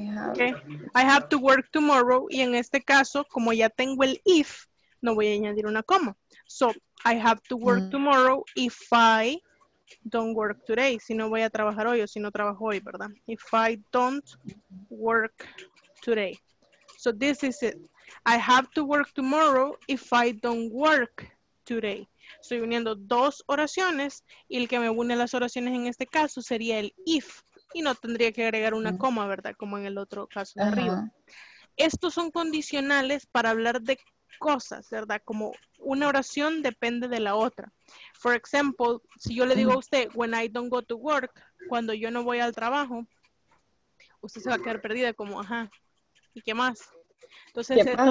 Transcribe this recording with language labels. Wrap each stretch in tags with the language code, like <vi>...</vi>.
<es>Okay.</es> <en>I have to work tomorrow.</en> <es>Y en este caso, como ya tengo el if, no voy a añadir una coma.</es> <en>So, I have to work tomorrow if I don't work today.</en> <es>Si no voy a trabajar hoy o si no trabajo hoy, ¿verdad?</es> <en>If I don't work today. So, this is it. I have to work tomorrow if I don't work today.</en> <es>Estoy uniendo dos oraciones y el que me une las oraciones en este caso sería el if. Y no tendría que agregar una coma, ¿verdad? Como en el otro caso de arriba. Estos son condicionales para hablar de cosas, ¿verdad? Como una oración depende de la otra.</es> <en>For example,</en> <es>si yo le digo a usted,</es> <en>when I don't go to work,</en> <es>cuando yo no voy al trabajo, usted se va a quedar perdida como, ajá, ¿y qué más? Entonces, ¿qué esta pasa?</es>